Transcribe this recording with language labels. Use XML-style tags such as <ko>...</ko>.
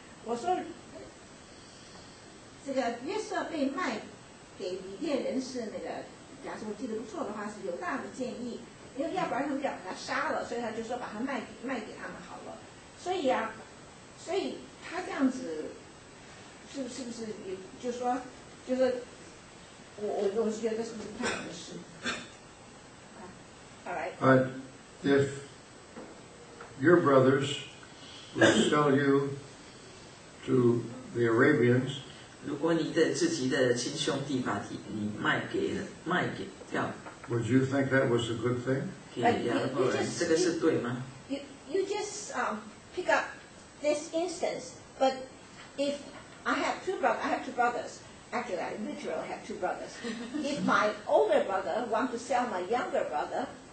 <zh>我说这个约瑟被卖给米甸人是那个，假如我记得不错的话，是犹大的建议，因为要不然他们就要把他杀了，所以他就说把他卖给他们好了。所以啊，所以他这样子是不是也就说，就是我是觉得是不是不太合适。好，来。</zh> <en>If your brothers would sell you to the Arabians,</en> <zh>如果你的自己的亲兄弟把你卖给掉，</zh> <en>would you think that was a good thing?</en> <zh>给亚伯兰，这个是对吗？</zh> <en>You just pick up this instance, but if I have two brothers, actually I literally have two brothers. If my older brother want to sell my younger brother.</en>